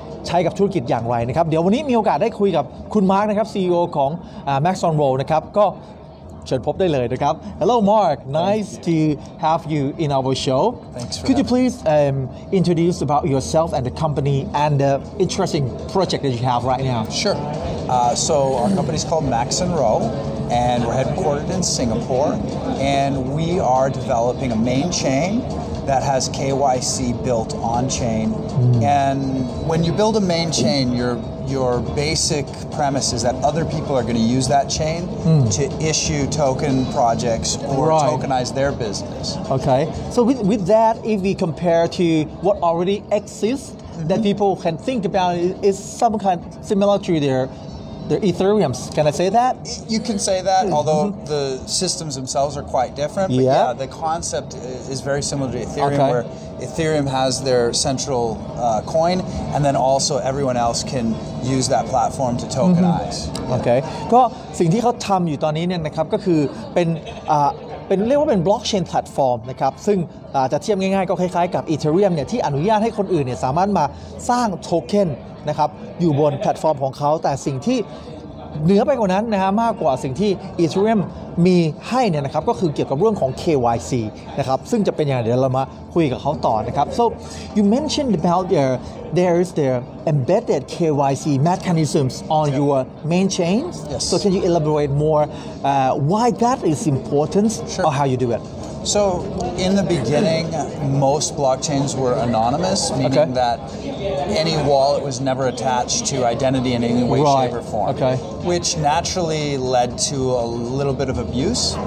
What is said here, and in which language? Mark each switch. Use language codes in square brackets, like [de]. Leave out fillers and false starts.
[th] ใช้กับธุรกิจอย่างไรนะครับเดี๋ยววันนี้มีโอกาสได้คุยกับคุณมาร์คนะครับ CEO ของMax on Roll นะครับก็เชิญพบได้เลยนะครับ [en] Hello Mark nice to have you in our show Could you please introduce about yourself and the company and the interesting project that you have right now Sure so our company is called Max on Roll and we're headquartered in Singapore and we are developing a main chain that has KYC built on chain and when you build a main chain your basic premise is that other people are going to use that chain to issue token projects or right. tokenize their business okay so with that if we compare to what already exists that people can think about is some kind of similar to thereThe Ethereum, can I say that? You can say that, although the systems themselves are quite different. But yeah, the concept is very similar to Ethereum, okay. where Ethereum has their central coin, and then also everyone else can use that platform to tokenize. Mm-hmm. Okay. [th] ก็สิ่งที่เขาทำอยู่ตอนนี้เนี่ยนะครับก็คือเป็นเรียกว่าเป็นบล็อกเชนแพลตฟอร์มนะครับซึ่งจะเทียบง่ายๆก็คล้ายๆกับ Ethereum เนี่ยที่อนุญาตให้คนอื่นเนี่ยสามารถมาสร้างโทเค็นนะครับอยู่บนแพลตฟอร์มของเขาแต่สิ่งที่ เหนือไปกว่านั้นนะฮะมากกว่าสิ่งที่ Ethereum มีให้เนี่ยนะครับก็คือเกี่ยวกับเรื่องของ KYC นะครับซึ่งจะเป็นอย่างไรเดี๋ยวเรามาคุยกับเขาต่อนะครับ [en] So you mentioned about there is their embedded KYC mechanisms on your main chain Yes. So can you elaborate more why that is important Sure. or how you do it So in the beginning most blockchains were anonymous meaning okay. that any wallet was never attached to identity in any way right. shape or form okay. which naturally led to a little bit of abuse